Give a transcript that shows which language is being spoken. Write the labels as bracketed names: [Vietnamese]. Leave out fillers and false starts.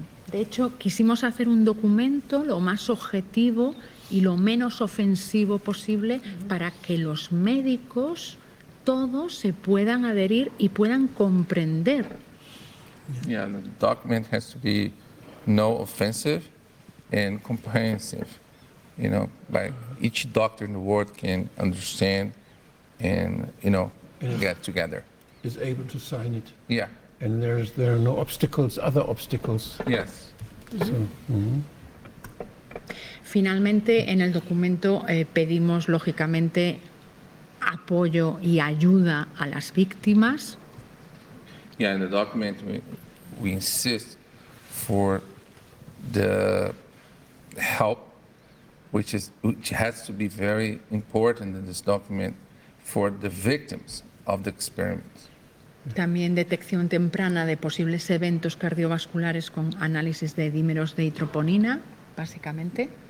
[Spanish] De hecho, quisimos hacer un documento lo más objetivo y lo menos ofensivo posible para que los médicos todos se puedan adherir y puedan comprender. [English] Yeah, the document has to be no offensive and comprehensive. You know, by each doctor in the world can understand and, you know, get together. Is able to sign it. Yeah. And there are no obstacles, other obstacles. Yes. So, mm-hmm. [Spanish] Finalmente, en el documento pedimos, lógicamente, apoyo y ayuda a las víctimas. [English] Yeah, in the document we insist for the help, which has to be very important in this document for the victims of the experiment. [Spanish] También detección temprana de posibles eventos cardiovasculares con análisis de dímeros de troponina, básicamente.